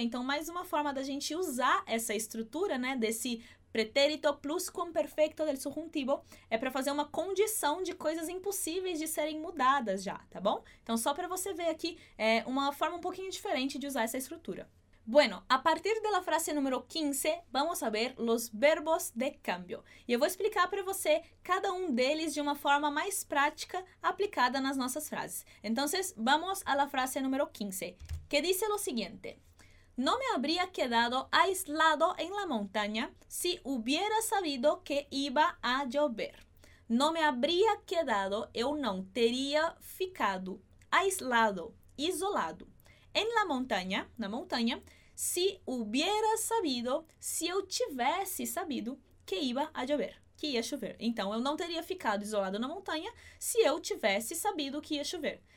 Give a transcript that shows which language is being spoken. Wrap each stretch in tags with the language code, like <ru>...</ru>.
<pt>Então, mais uma forma da gente usar essa estrutura, né, desse pretérito plus quamperfeito del subjuntivo, é para fazer uma condição de coisas impossíveis de serem mudadas já, tá bom? Então, só para você ver aqui, é uma forma um pouquinho diferente de usar essa estrutura.</pt> <es>Bueno,</es> <pt>a partir da frase número 15,</pt> <es>vamos a ver los verbos de cambio.</es> <pt>E eu vou explicar para você cada um deles de uma forma mais prática aplicada nas nossas frases. Então, vamos a</pt> <es>la frase número 15,</es> <pt>que diz o seguinte:</pt> <es>No me habría quedado aislado en la montaña si hubiera sabido que iba a llover. No me habría quedado,</es> <pt>eu não teria ficado aislado, isolado.</pt> <es>En la montaña,</es> <pt>na montanha,</pt> <es>si hubiera sabido,</es> <pt>se eu tivesse sabido</pt> <es>que iba a llover,</es> <pt>que ia chover. Então, eu não teria ficado isolado na montanha se eu tivesse sabido que ia chover.</pt>